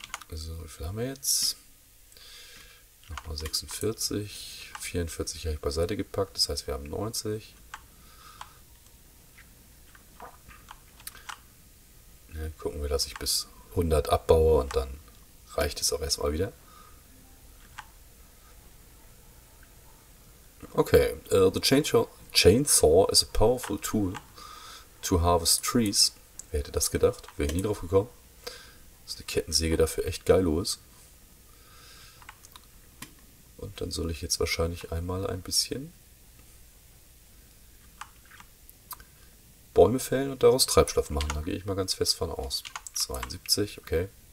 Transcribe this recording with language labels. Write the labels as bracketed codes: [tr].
[de] So, wie viel haben wir jetzt? Nochmal 46. 44 habe ich beiseite gepackt. Das heißt, wir haben 90. Gucken wir, dass ich bis 100 abbaue und dann reicht es auch erstmal wieder. [en] Okay, the chainsaw is a powerful tool to harvest trees. [de] Wer hätte das gedacht? Wäre nie drauf gekommen. Dass eine Kettensäge dafür echt geil los. Und dann soll ich jetzt wahrscheinlich einmal ein bisschen Bäume fällen und daraus Treibstoff machen. Da gehe ich mal ganz fest von aus. 72, okay.